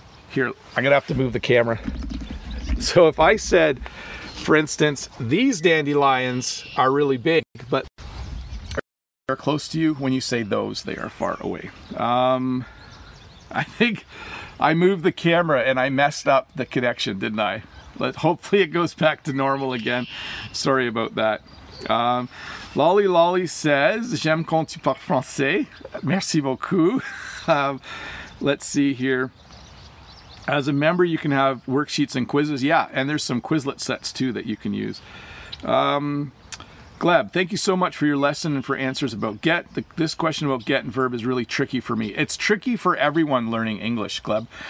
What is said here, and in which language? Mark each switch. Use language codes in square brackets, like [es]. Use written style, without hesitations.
[en] Here, I'm going to have to move the camera. So if I said, for instance, these dandelions are really big, but they're close to you, when you say those, they are far away. I think I moved the camera and I messed up the connection, didn't I? Hopefully it goes back to normal again. Sorry about that. Lolly Lolly says, [fr] j'aime quand tu parles français. Merci beaucoup. [en] Let's see here. As a member, you can have worksheets and quizzes. Yeah, and there's some Quizlet sets too that you can use. Gleb, thank you so much for your lesson and for answers about get. This question about get and verb is really tricky for me. It's tricky for everyone learning English, Gleb.